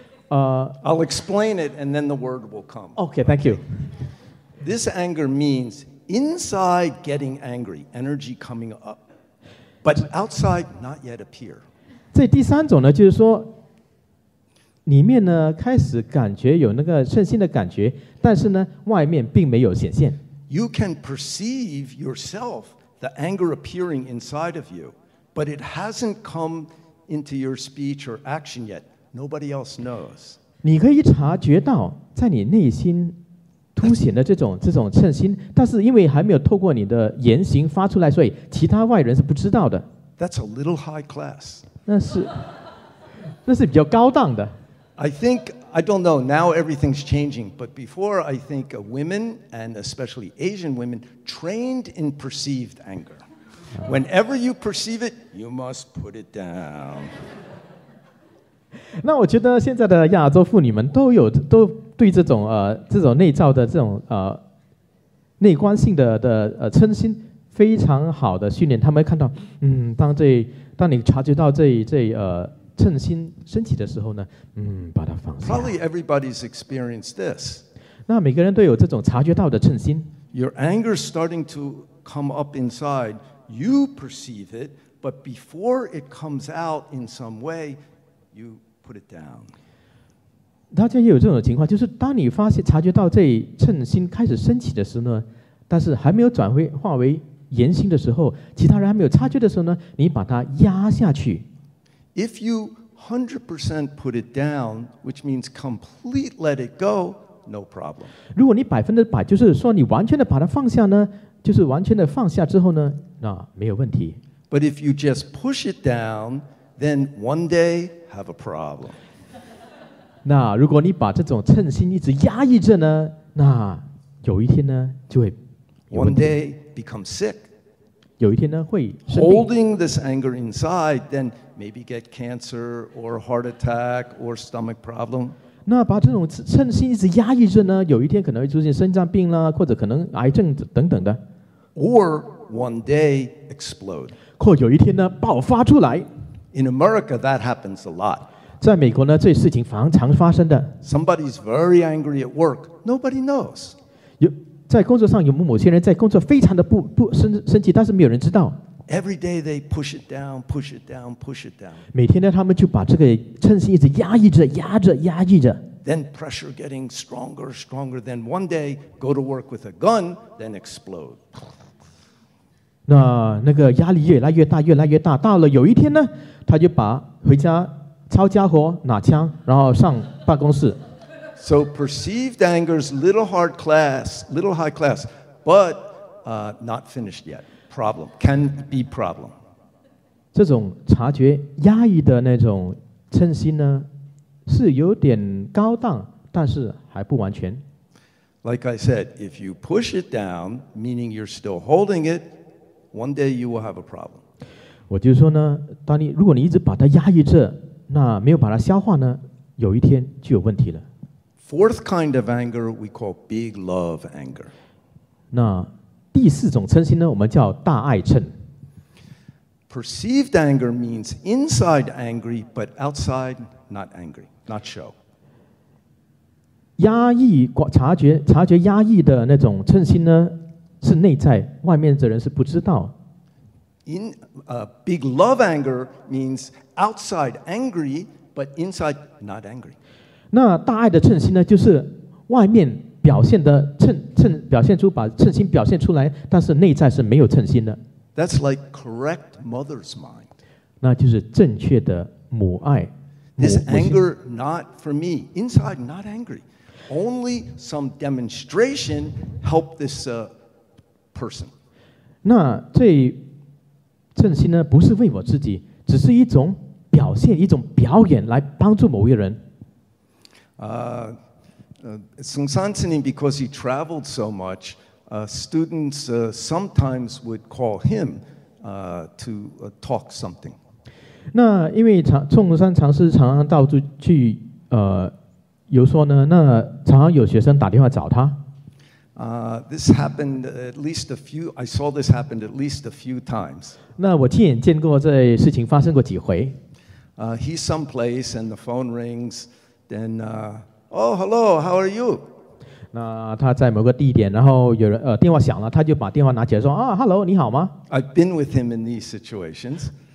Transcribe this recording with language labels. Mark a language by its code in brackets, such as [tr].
[en] I'll explain it and then the word will come. Okay, thank you. This anger means inside getting angry, energy coming up, but outside not yet appear. [zh] 这第三种呢，就是说，里面呢开始感觉有那个嗔心的感觉，但是呢外面并没有显现。 [en] You can perceive yourself the anger appearing inside of you, but it hasn't come into your speech or action yet. Nobody else knows. [zh] 你可以察觉到在你内心凸显的这种嗔心，但是因为还没有透过你的言行发出来，所以其他外人是不知道的。 [en] That's a little high class. [zh] 那是比较高档的。 [en] I think, I don't know, now everything's changing, but before I think women, and especially Asian women, trained in perceived anger. Whenever you perceive it, you must put it down. [zh] 那我觉得现在的亚洲妇女们都对这种内照的这种内观性的嗔心非常好的训练，他们看到，当你察觉到这趁心升起的时候呢，把它放下。 [en] Probably everybody's experienced this. [zh] 那每个人都有这种察觉到的趁心。 [en] Your anger starting to come up inside, you perceive it, but before it comes out in some way, you put it down. [zh] 大家也有这种情况，就是当你发现察觉到这趁心开始升起的时候呢，但是还没有转为化为言行的时候，其他人还没有察觉的时候呢，你把它压下去。 [en] If you 100% put it down, which means complete let it go, no problem. [zh] 如果你百分之百，就是说你完全的把它放下呢，就是完全的放下之后呢，那没有问题。 [en] But if you just push it down, then one day have a problem. [zh] 那如果你把这种嗔心一直压抑着呢，那有一天呢就会。 [en] One day become sick. [zh] 有一天呢会生病。 [en] Holding this anger inside, then. Maybe get cancer or heart attack or stomach problem. [zh] 那把这种嗔心一直压抑着呢，有一天可能会出现心脏病啦，或者可能癌症等等的。 [en] Or one day explode. [zh] 或有一天呢爆发出来。 [en] In America, that happens a lot. [zh] 在美国呢，这事情常发生的。 [en] Somebody's very angry at work. Nobody knows. [zh] 在工作上有某些人在工作非常的不生气，但是没有人知道。 [en] Every day they push it down, push it down, push it down. [zh] 每天呢，他们就把这个嗔心一直压抑着，压着，压抑着。 [en] Then pressure getting stronger, stronger. Then one day go to work with a gun, then explode. [zh] 那个压力越来越大，越来越大。到了有一天呢，他就把回家抄家伙拿枪，然后上办公室。 [en] So perceived anger is little hard class, little high class, but not finished yet. Problem can be problem. [zh] 这种察觉压抑的那种嗔心呢，是有点高档，但是还不完全。 [en] Like I said, if you push it down, meaning you're still holding it, one day you will have a problem. [zh] 我就说呢，当你如果你一直把它压抑着，那没有把它消化呢，有一天就有问题了。 [en] Fourth kind of anger we call big love anger. [zh] 那第四种嗔心呢，我们叫大爱嗔。 [en] Perceived anger means inside angry, but outside not angry, not show. [zh] 压抑察觉，察觉压抑的那种嗔心呢，是内在，外面的人是不知道。 [en] Big love anger means outside angry, but inside not angry. [zh] 那大爱的嗔心呢，就是外面表现的表现出把嗔心表现出来，但是内在是没有嗔心的。 [en] That's like correct mother's mind. [zh] 那就是正确的母爱。 [en] This anger not for me, inside not angry. Only some demonstration help this person. [zh] 那这嗔心呢，不是为我自己，只是一种表现，一种表演来帮助某一人。 [en] Sung San Sinin, because he traveled so much, students sometimes would call him to talk something. [zh] 那因为宋山禅师常常到处去游说呢，那常常有学生打电话找他。 [en] This happened at least a few. I saw this happened at least a few times. [zh] 那我亲眼见过这事情发生过几回。 [en] He's someplace and the phone rings, then. Oh, hello. How are you? [zh] 那他在某个地点，然后有人电话响了，他就把电话拿起来说啊 ，Hello, 你好吗 [en] ？I've been with him in these situations.